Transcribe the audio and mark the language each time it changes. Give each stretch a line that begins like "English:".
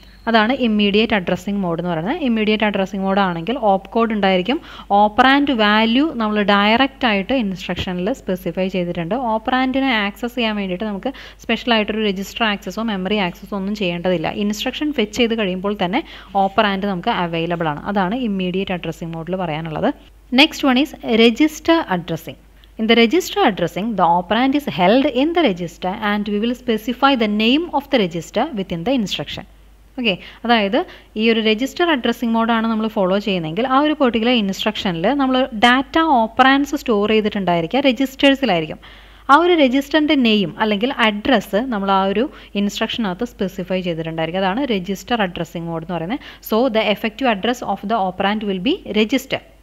Malayalam: അതാണ് immediate addressing mode എന്ന് പറയുന്നത്. ഇമ്മീഡിയറ്റ് അഡ്രസ്സിംഗ് മോഡ് ആണെങ്കിൽ ഓപ്കോഡ് ഉണ്ടായിരിക്കും, ഓപ്പറാൻഡ് വാല്യൂ നമ്മൾ ഡയറക്റ്റ് ആയിട്ട് ഇൻസ്ട്രക്ഷനിൽ സ്പെസിഫൈ ചെയ്തിട്ടുണ്ട്. ഓപ്പറാൻഡിനെ ആക്സസ് ചെയ്യാൻ വേണ്ടിയിട്ട് നമുക്ക് സ്പെഷ്യലായിട്ടൊരു രജിസ്റ്റർ ആക്സസോ മെമ്മറി ആക്സസോ ഒന്നും ചെയ്യേണ്ടതില്ല. ഇൻസ്ട്രക്ഷൻ ഫെച്ച് ചെയ്ത് കഴിയുമ്പോൾ തന്നെ ഓപ്പറാൻഡ് നമുക്ക് അവൈലബിൾ ആണ്. അതാണ് ഇമ്മീഡിയറ്റ് അഡ്രസ്സിംഗ് മോഡിൽ പറയാനുള്ളത്.
English: Next one is register addressing. In the register addressing, the operand is held in the register and we will specify the name of the register within the instruction.
Malayalam: Okay, അതായത് ഈ ഒരു register addressing മോഡാണ് നമ്മൾ follow ചെയ്യുന്നതെങ്കിൽ ആ ഒരു particular ഇൻസ്ട്രക്ഷനിൽ നമ്മൾ data operands store ചെയ്തിട്ടുണ്ടായിരിക്കുക രജിസ്റ്റേഴ്സിലായിരിക്കും. ആ ഒരു രജിസ്റ്ററിൻ്റെ നെയിം അല്ലെങ്കിൽ അഡ്രസ്സ് നമ്മൾ ആ ഒരു ഇൻസ്ട്രക്ഷനകത്ത് സ്പെസിഫൈ ചെയ്തിട്ടുണ്ടായിരിക്കും. അതാണ് രജിസ്റ്റർ അഡ്രസ്സിംഗ് മോഡ് എന്ന് പറയുന്നത്.
English: So the effective address of the operand will be register.